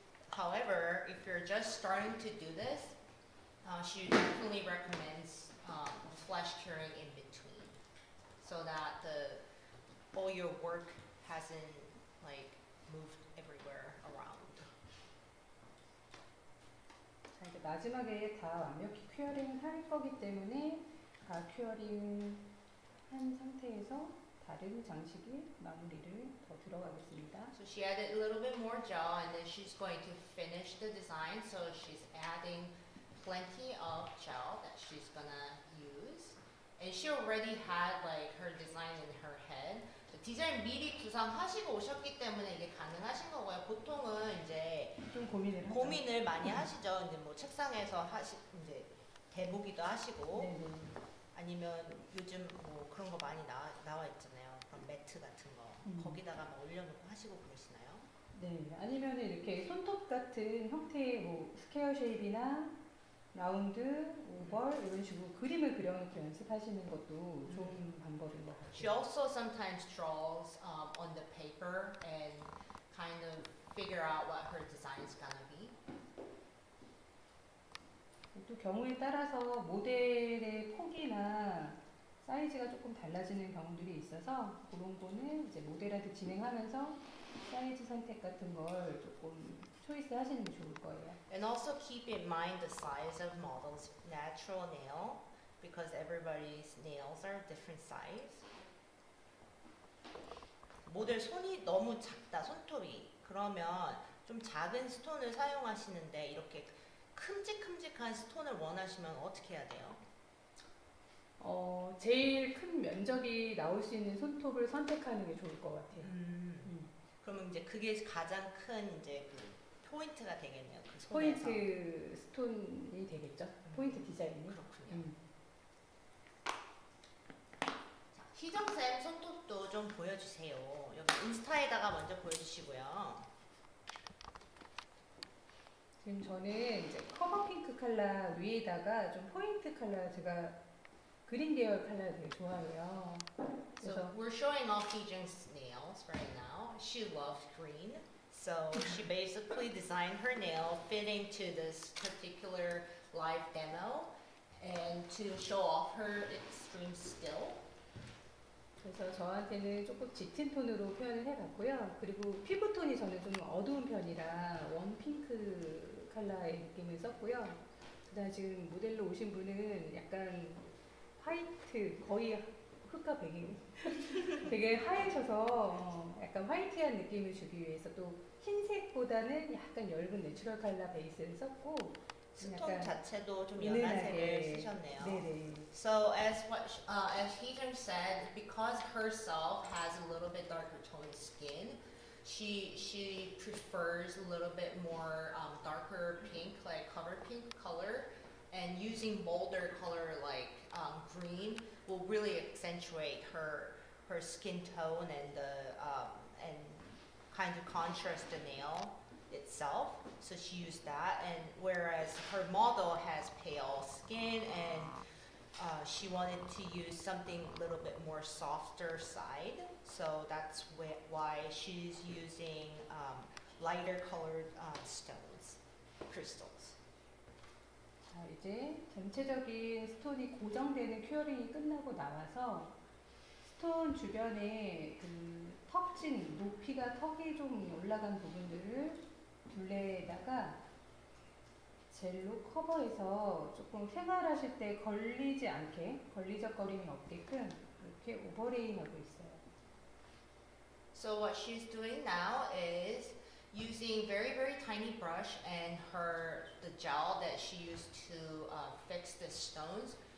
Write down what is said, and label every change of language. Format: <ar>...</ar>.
<en>However, if you're just starting to do this, she definitely recommends flash curing in between so that all your work hasn't like moved everywhere around.</en> <ko>자, 이제 마지막에 다 완벽히 큐어링 할 거기 때문에 다 큐어링 한 상태에서 다른 장식의 마무리를 더 들어가겠습니다.</ko> <en>So she added a little bit more gel and then she's going to finish the design. So she's adding plenty of gel that she's gonna use. And she already had like her design in her head.</en> <ko>디자인 미리 구상하시고 오셨기 때문에 이게 가능하신 거고요. 보통은 이제 좀 고민을 하죠. 고민을 많이 하시죠. 이제 뭐 책상에서 이제 대보기도 하시고. 네네. 아니면 요즘 뭐 그런 거 많이 나와 있잖아요. 그런 매트 같은 거 거기다가 막 올려놓고 하시고 그러시나요? 네, 아니면 이렇게 손톱 같은 형태의 뭐 스퀘어 쉐입이나 라운드, 오벌 이런 식으로 그림을 그려놓고 연습하시는 것도 좋은 방법인 것 같아요.</ko> <en>She also sometimes draws on the paper and kind of figure out what her design is gonna be.</en> <ko>또 경우에 따라서 모델의 폭이나 사이즈가 조금 달라지는 경우들이 있어서 그런 거는 이제 모델한테 진행하면서 사이즈 선택 같은 걸 조금 초이스 하시는 게 좋을 거예요.</ko> <en>And also keep in mind the size of model's natural nail because everybody's nails are different size.</en> <ko>모델 손이 너무 작다, 손톱이. 그러면 좀 작은 스톤을 사용하시는데 이렇게 큼직큼직한 스톤을 원하시면 어떻게 해야 돼요? 제일 큰 면적이 나올 수 있는 손톱을 선택하는 게 좋을 것 같아요. 그러면 이제 그게 가장 큰 이제 그 포인트가 되겠네요. 그 손에서. 포인트 스톤이 되겠죠. 포인트 디자인이. 그렇군요. 희정쌤 손톱도 좀 보여주세요. 여기 인스타에다가 먼저 보여주시고요. 지금 저는 이제 커버 핑크 컬러 위에다가 좀 포인트 컬러, 제가 그린 계열 컬러 되게 좋아해요. 그래서</ko> <en>so we're showing off Heejung's nails right now. She loves green. So she basically designed her nail fitting to this particular live demo and to show off her extreme skill.</en> <ko>그래서 저한테는 조금 짙은 톤으로 표현을 해봤고요. 그리고 피부 톤이 저는 좀 어두운 편이라 웜 핑크 컬러의 느낌을 썼고요. 그다음 지금 모델로 오신 분은 약간 화이트, 거의 흑화백이 되게 하얘셔서 약간 화이트한 느낌을 주기 위해서 또 흰색보다는 약간 엷은 내추럴 컬러 베이스를 썼고 스톤 자체도 좀 연한 색을 쓰셨네요. 네네.</ko> <en>So as what as Heejun said, because herself has a little bit darker toned skin, she prefers a little bit more darker pink, like cover pink color, and using bolder color like green will really accentuate her skin tone and the and kind of contrast the nail itself. So she used that, and whereas her model has pale skin, and she wanted to use something a little bit more softer side. So that's why she's using lighter colored stones, crystals.</en> <ko>자, 이제 전체적인 스톤이 고정되는 큐어링이 끝나고 나와서 스톤 주변에 그 턱진, 높이가 턱이 좀 올라간 부분들을 둘레에다가 젤로 커버해서 조금 생활하실 때 걸리지 않게, 걸리적거림이 없게끔 이렇게 오버레이하고 있어요.</ko> <en>So what she's doing now is using very very tiny brush and the gel that she used to fix the stones.</en>